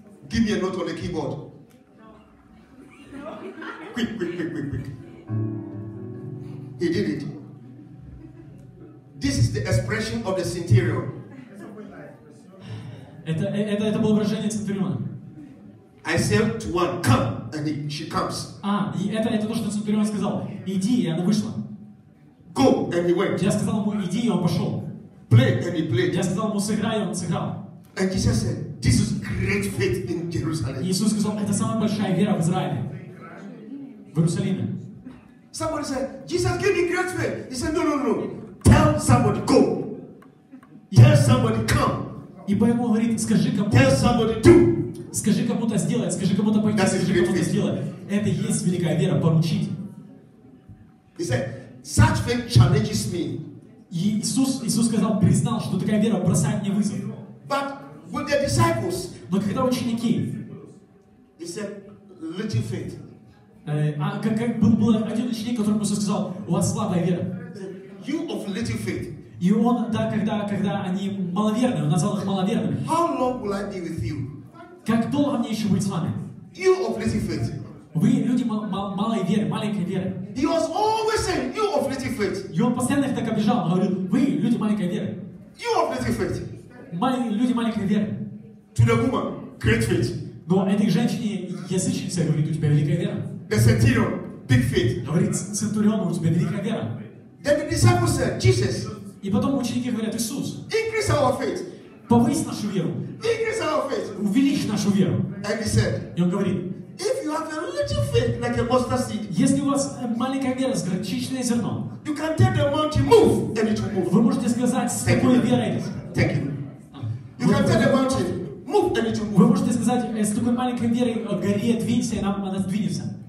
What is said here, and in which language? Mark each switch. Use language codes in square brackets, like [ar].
[en] Give me a note on the keyboard. No. Quick. He did it. This is the expression of the centurion. [ru] Это было выражение центуриона. [en] I said to one, come, and she comes. [ru] И это то, что центурион сказал. Иди, и она вышла. [en] Go, and he went. [ru] Я сказал ему, иди, и он пошел. [en] Play, and he played. [ru] Я сказал ему, сыграй, и он сыграл. [en] And Jesus said, this is great faith in Jerusalem. [ru] Иисус сказал, это самая большая вера в Израиле. В Иерусалиме. [en] Somebody said, Jesus gave me great faith. He said, no. Tell somebody, go. Tell somebody, come. [ru] И поэтому он говорит, скажи кому-то. [en] Tell somebody, do. [ru] Скажи кому-то сделать, скажи кому-то пойти, [en] That's [ru] скажи кому-то сделать. Это и есть великая вера, поручить. [en] He said, such faith challenges me. [ru] Иисус сказал, признал, что такая вера бросает мне вызов. [en] But with the disciples, [ru] но когда ученики, [en] he said, little faith. [ru] Был один ученик, которому Иисус сказал, у вас слабая вера. [en] You of little faith. [ru] И он, да, когда они маловерные, он назвал их маловерными. [en] How long will I be with you? [ru] Как долго мне еще быть с вами? [en] You of little faith. [ru] Вы люди малой веры, маленькой веры. [en] He was always saying, you of little faith. [ru] И он постоянно их так обижал, говорит, вы люди маленькой веры. [en] You of little faith. [ru] Люди маленькой веры. [en] To the woman, great faith. [ru] Но этой женщине язычница говорит, у тебя великая вера. [en] The centurion, big faith. [ru] Говорит, центурион, у тебя великая вера. [en] Then the disciples said, Jesus. [ru] И потом ученики говорят, Иисус. [en] Increase our faith. [ru] Повысь нашу веру. [en] Increase our faith. [ru] Увеличь нашу веру. [en] And he said, [ru] и он говорит, [en] if you have a little faith, like a mustard seed, [ru] если у вас маленькая вера, с горчичное зерно, [en] you can tell the mountain move, and it will move. [ru] Вы можете сказать, с такой верой. [en] Thank you. You can tell the mountain move, and it will move. [ru] Вы можете сказать, с такой маленькой верой о горе двинься, и она двинется.